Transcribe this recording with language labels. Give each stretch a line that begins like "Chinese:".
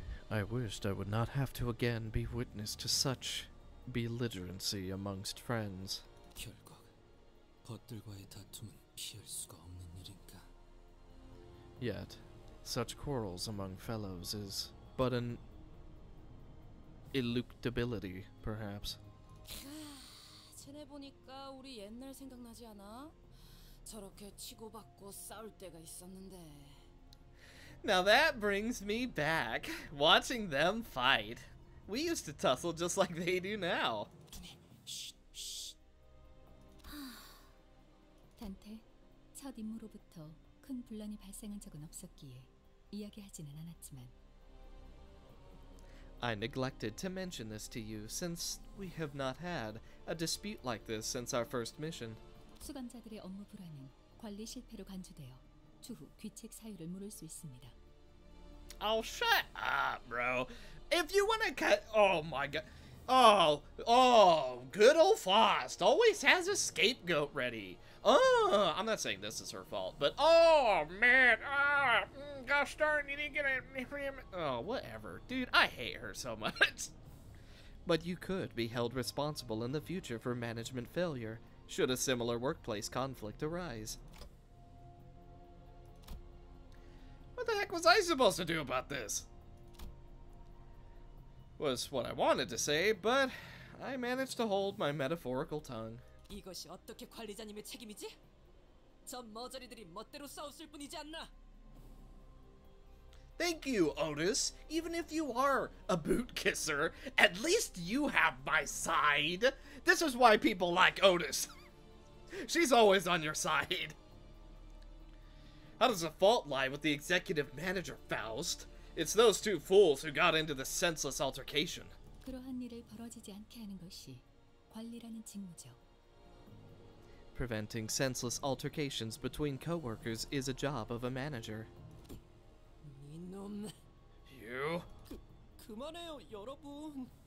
English: I wished I would not have to again be witness to such belligerency amongst friends. Yet, such quarrels among fellows is but an ineluctability, perhaps.
Korean: 지내보니까 우리 옛날 생각나지 않아? 저렇게 치고받고 싸울 때가 있었는데.
English: Now that brings me back, watching them fight. We used to tussle just like they do now.
Korean: 단테, 첫 임무로부터 큰 분란이 발생한 적은 없었기에 이야기하지는 않았지만.
English: I neglected to mention this to you, since we have not had a dispute like this since our first mission.
Korean: 수감자들의 업무 불안은 관리 실패로 간주되어 추후 귀책 사유를 물을 수 있습니다.
English: Oh, shut up, bro. If you want to cut... Oh, my God. Good old Faust always has a scapegoat ready. I'm not saying this is her fault, but... Oh, man. Gosh darn, you didn't get it. Oh, whatever. Dude, I hate her so much. But you could be held responsible in the future for management failure should a similar workplace conflict arise. What the heck was I supposed to do about this? Was what I wanted to say, but I managed to hold my metaphorical tongue.
Korean: 이것이 어떻게 관리자님의 책임이지? 저 머저리들이 멋대로 싸웠을 뿐이지 않나?
English: Thank you, Otis. Even if you are a boot kisser, at least you have my side. This is why people like Otis. She's always on your side. How does the fault lie with the executive manager, Faust? It's those two fools who got into the senseless altercation.
Korean: 그러한 일을 벌어지지 않게 하는 것이 관리라는 직무죠.
English: Preventing senseless altercations between co-workers is a job of a manager.
Korean: 이놈...
English: You?
Korean: 그만해요, 여러분.